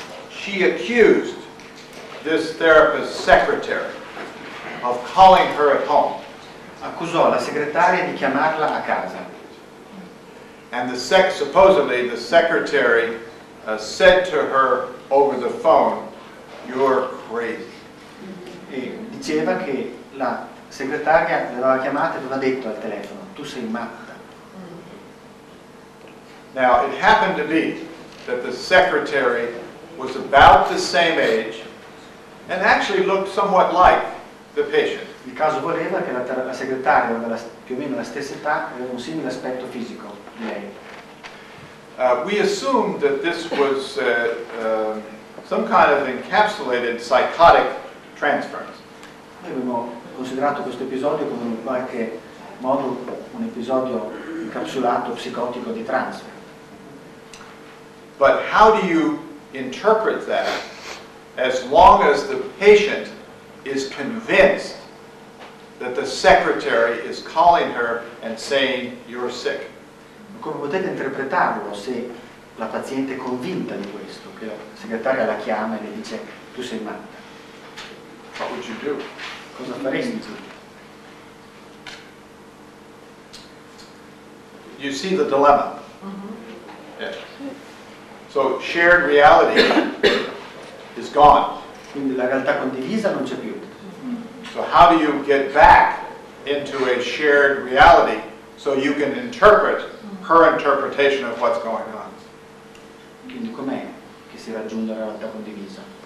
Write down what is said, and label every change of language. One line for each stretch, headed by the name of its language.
English: She accused this therapist's secretary of calling her at home.
Italian: Accusò la segretaria di chiamarla a casa.
English: And supposedly the secretary said to her over the phone, "You're crazy."
Italian: E diceva che la segretaria l'aveva chiamata e aveva detto al telefono, "Tu sei matta."
English: Now it happened to be that the secretary was about the same age and actually looked somewhat like the patient.
Italian: Il caso voleva che la segretaria aveva più o meno la stessa età e aveva un simile aspetto fisico di lei.
English: We assumed that this was some kind of encapsulated psychotic transference.
Italian: Noi abbiamo considerato questo episodio come in qualche modo un episodio incapsulato psicotico di transfer.
English: But how do you interpret that as long as the patient is convinced that the secretary is calling her and saying, "You're sick"?
Italian: Come potete interpretarlo se la paziente è convinta di questo, che la segretaria la chiama e le dice, "Tu sei matta"?
English: What would you do?
Italian: Cosa faresti tu?
English: you see the dilemma. Mm-hmm. Yeah. So shared reality is gone.
Italian: Quindi la realtà condivisa non c'è più.
English: So how do you get back into a shared reality so you can interpret her interpretation of what's going on?
Italian: Quindi com'è che si raggiunge la realtà condivisa?